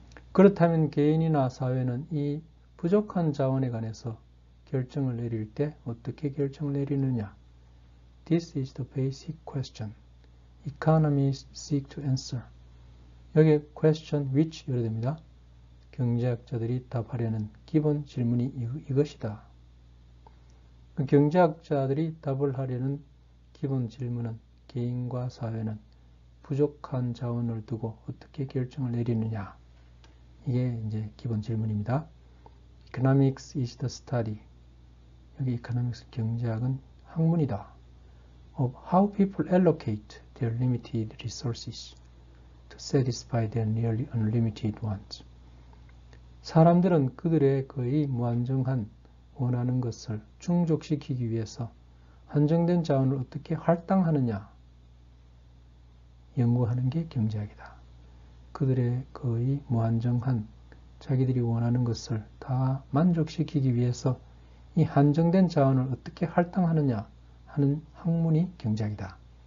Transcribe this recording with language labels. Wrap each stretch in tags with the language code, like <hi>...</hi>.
<ko>그렇다면, 개인이나 사회는 이 부족한 자원에 관해서 결정을 내릴 때 어떻게 결정을 내리느냐?</ko> <en>This is the basic question economists seek to answer.</en> <ko>여기</ko> <en>question which</en> <ko>이래 됩니다. 경제학자들이 답하려는 기본 질문이 이것이다. 그 경제학자들이 답을 하려는 기본 질문은 개인과 사회는 부족한 자원을 두고 어떻게 결정을 내리느냐? 이게 이제 기본 질문입니다.</ko> <en>Economics is the study.</en> <ko>여기 이코노믹스 경제학은 학문이다.</ko> <en>Of how people allocate their limited resources to satisfy their nearly unlimited wants.</en> <ko>사람들은 그들의 거의 무한정한 원하는 것을 충족시키기 위해서 한정된 자원을 어떻게 할당하느냐 연구하는 게 경제학이다. 그들의 거의 무한정한 자기들이 원하는 것을 다 만족시키기 위해서 이 한정된 자원을 어떻게 할당하느냐 하는 학문이 경제학이다.</ko>